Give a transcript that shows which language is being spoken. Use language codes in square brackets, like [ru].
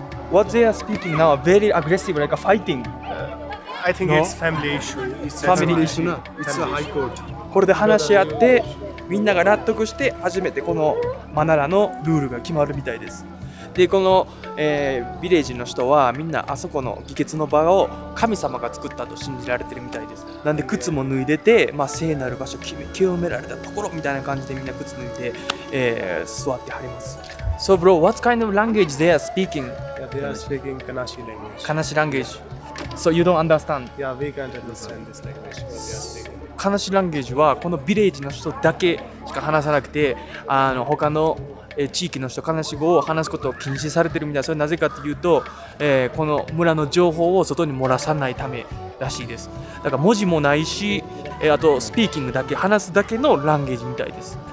[en] What they are speaking now are very aggressive, like a fighting. I think it's family issue. It's family issue. It's a high court. [ja] これで話し合って、みんなが納得して初めてこのマナラのルールが決まるみたいです。で、この、ビレージの人はみんなあそこの議決の場を神様が作ったと信じられてるみたいです。なんで靴も脱いでて、まあ、聖なる場所、清められたところみたいな感じでみんな靴脱いで、座ってはります。 [en] So bro, what kind of language they are speaking? Yeah, they are speaking Kanashi language. Kanashi language. So you don't understand? Yeah, we can't understand this language, but they are speaking. [ja] Kanashi language はこのビレージの人だけしか話さなくて、あの他の地域の人、悲しい語を話すことを禁止されてるみたいな。それなぜかというと、この村の情報を外に漏らさないためらしいです。だから文字もないし、あとスピーキングだけ、話すだけのランゲージみたいです。